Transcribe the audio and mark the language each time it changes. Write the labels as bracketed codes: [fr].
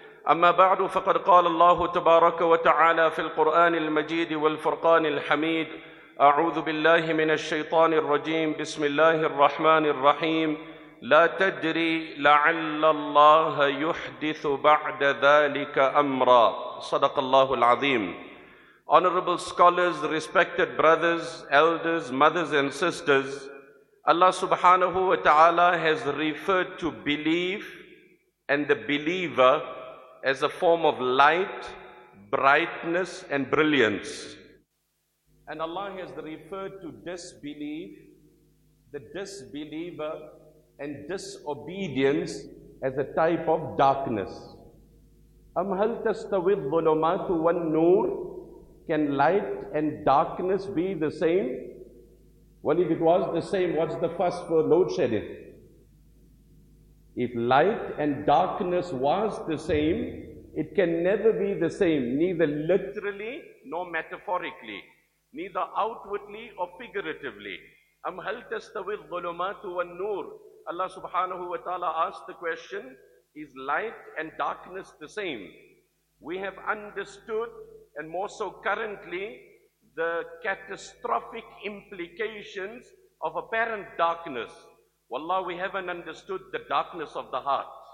[ar] أما بعد، فقد قال الله تبارك وتعالى في القرآن المجيد والفرقان الحميد: أعوذ بالله من الشيطان الرجيم، بسم الله الرحمن الرحيم: لا تدري لعل الله يحدث بعد ذلك أمرا. صدق الله العظيم. [en] Honorable scholars, respected brothers, elders, mothers and sisters, Allah subhanahu wa ta'ala has referred to belief and the believer as a form of light, brightness and brilliance. And Allah has referred to disbelief, the disbeliever, and disobedience as a type of darkness. [ar] أَمْ هَلْ تَسْتَوِي الظُّلُمَاتُ وَالنُّورِ. [en] Can light and darkness be the same? Well, if it was the same, what's the fuss for load shedding? If light and darkness was the same, it can never be the same, neither literally nor metaphorically, neither outwardly or figuratively. [ar] أَمْ هَلْ تَسْتَوِي الظُّلُمَاتُ وَالنُّورِ. [en] Allah subhanahu wa ta'ala asked the question, is light and darkness the same? We have understood, and more so currently, the catastrophic implications of apparent darkness. Wallah, we haven't understood the darkness of the heart.